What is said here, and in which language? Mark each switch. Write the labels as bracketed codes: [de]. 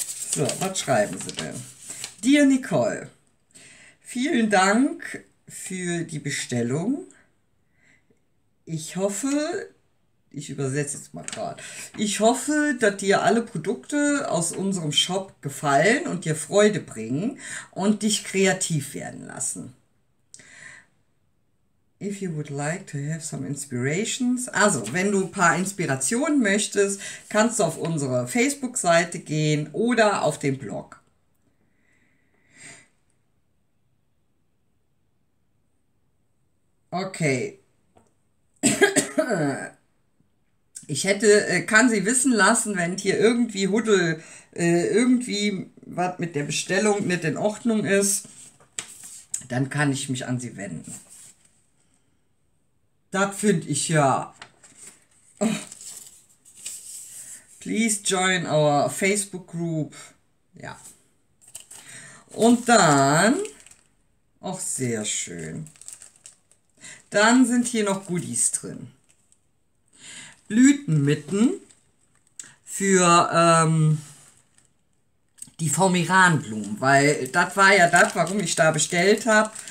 [de] So, was schreiben sie denn? Dear Nicole, vielen Dank für die Bestellung. Ich hoffe... Ich übersetze jetzt mal gerade. Ich hoffe, dass dir alle Produkte aus unserem Shop gefallen und dir Freude bringen und dich kreativ werden lassen. [en] If you would like to have some inspirations. [de] Also, wenn du ein paar Inspirationen möchtest, kannst du auf unsere Facebook-Seite gehen oder auf den Blog. Okay. Ich hätte, kann sie wissen lassen, wenn hier irgendwie Huddel, irgendwie was mit der Bestellung nicht in Ordnung ist, dann kann ich mich an sie wenden. Das finde ich ja. [en] Please join our Facebook group. [de] Ja. Und dann, auch sehr schön. Dann sind hier noch Goodies drin. Blütenmitten für die Vomeranblumen, weil das war ja das, warum ich da bestellt habe.